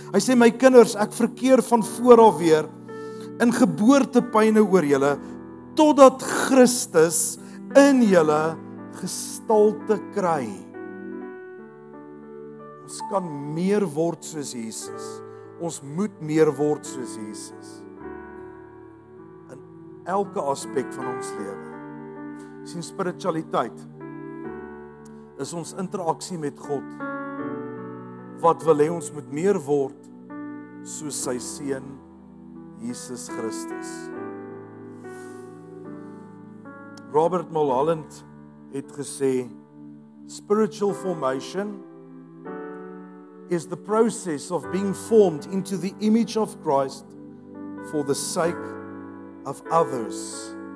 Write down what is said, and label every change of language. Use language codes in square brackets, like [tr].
[af] Hy sê, my kinders, ek verkeer van voor af weer in geboortepyne oor julle, totdat Christus in julle gestalte kry. Ons kan meer word soos Jesus. Ons moet meer word soos Jesus. In elke aspek van ons lewe. Sien, spiritualiteit is ons interaksie met God. Wat wil hy ons moet meer word soos sy seun Jesus Christus. [en] Robert Mulholland [af] het gesê, [en] spiritual formation is the process of being formed into the image of Christ for the sake of others.